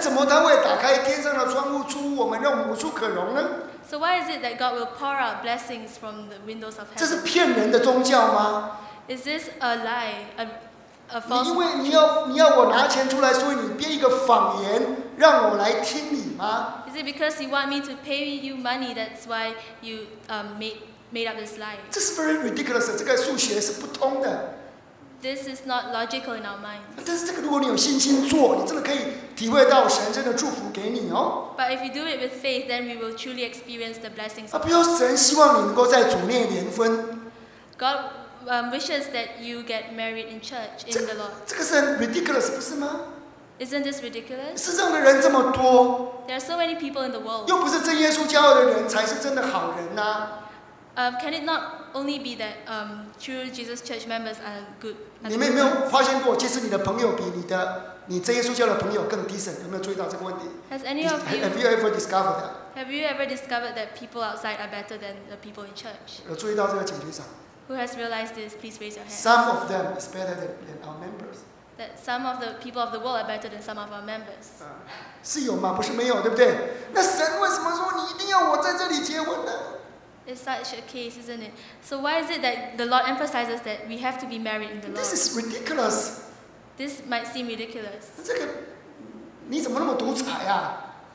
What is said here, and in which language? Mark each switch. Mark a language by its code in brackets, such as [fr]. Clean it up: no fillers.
[zh] 怎么他会打开天上的窗户，出我们让无处可容呢？ [en] So why is it that God will pour out blessings from the windows of heaven? [zh] 这是骗人的宗教吗？ [en] Is this a lie? A false? [zh] 因为你要我拿钱出来，所以你编一个谎言让我来听你吗？ [en] Is it because you want me to pay you money? That's why you made up this lie. [zh] 这是 [en] very ridiculous. [zh] 这个数学是不通的。 [en] This is not logical in our minds. [zh] 但是这个，如果你有信心做，你真的可以体会到神真的祝福给你哦。 [en] But if you do it with faith, then we will truly experience the blessings. [zh] 比如神希望你能够在主内联婚。 [en] God wishes that you get married in church in the Lord. [zh] 这个是很 ridiculous， 不是吗？ [en] Isn't this ridiculous？ [zh] 世上的人这么多。 [en] There are so many people in the world. [zh] 又不是真耶稣教的人才是真的好人呐。 [en] Can it not only be that true Jesus Church members are good? [zh] 你们有没有发现过，其实你的朋友比你真耶稣教的朋友更 decent？ 有没有注意到这个问题？ [en] Has any of you have you ever discovered that? Have you ever discovered that people outside are better than the people in church? [zh] 有注意到这个，请举手。 [en] Who has realized this? Please raise your hand. Some of them is better than our members. That some of the people of the world are better than some of our members. [zh] 是有吗？不是没有，对不对？那神为什么说你一定要我在这里结婚呢？ [en] It's such a case, isn't it? So why is it that the Lord emphasizes that we have to be married in the Lord? This is ridiculous. This might seem ridiculous. [zh] 这个你怎么那么独裁啊?